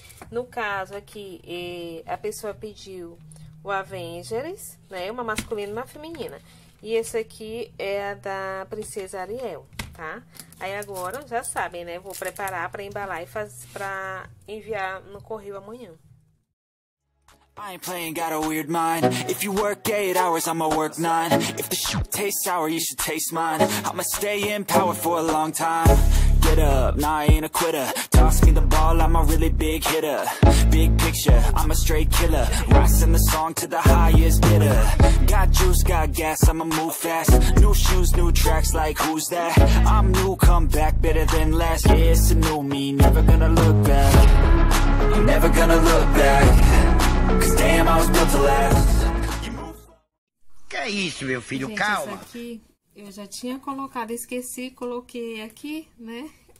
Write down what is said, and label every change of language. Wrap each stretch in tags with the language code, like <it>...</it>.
<pt>No caso aqui, a pessoa pediu o Avengers, né? Uma masculina e uma feminina. E esse aqui é a da Princesa Ariel, tá? Aí agora já sabem, né? Vou preparar para embalar e fazer para enviar no correio amanhã.</pt> <en>I ain't playing, got a weird mind. If you work 8 hours, I'ma work nine. If the shoe tastes sour, you should taste mine. I'ma stay in power for a long time. Get up, nah, I ain't a quitter. Toss me the ball, I'm a really big hitter. Big picture, I'm a straight killer. Rising the song to the highest bidder. Got juice, got gas, I'ma move fast. New shoes, new tracks, like who's that? I'm new, come back, better than last. Yeah, it's a new me, never gonna look back. I'm never gonna look back. Cause damn, I was built to last.</en> <pt>Que é isso, meu filho? Gente, isso Calma. aqui eu já tinha colocado, esqueci, coloquei aqui, né?</pt>